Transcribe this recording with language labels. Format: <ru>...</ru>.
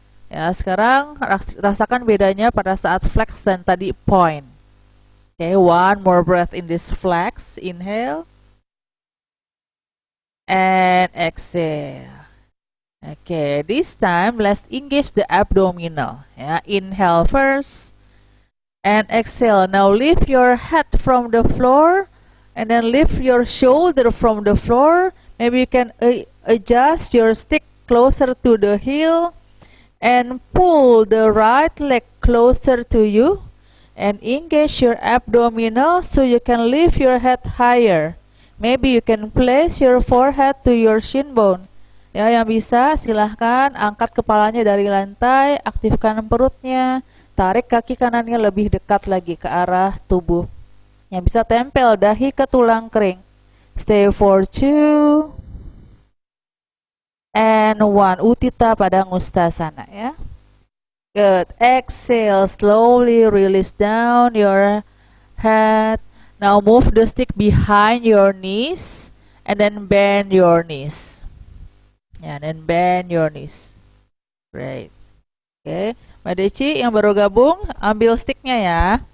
<id>Ya, sekarang rasakan bedanya pada saat flex dan tadi point.</id> <en>Okay, one more breath in this flex, inhale and exhale. Okay, this time let's engage the abdominal. Yeah, inhale first and exhale. Now lift your head from the floor and then lift your shoulder from the floor. Maybe you can adjust your stick closer to the heel and pull the right leg closer to you and engage your abdominal so you can lift your head higher. Maybe you can place your forehead to your shin bone.</en> <id>Ya, yang bisa silahkan angkat kepalanya dari lantai, aktifkan perutnya, tarik kaki kanannya lebih dekat lagi ke arah tubuh. Yang bisa tempel dahi ke tulang kering.</id> <en>Stay for two and one. Utita Padang Ustasana ya. Good. Exhale, slowly release down your head. Now move the stick behind your knees and then bend your knees. Yeah, and then bend your knees. Great. Okay.</en> <id>Mbak Deci yang baru gabung, ambil sticknya ya.</id>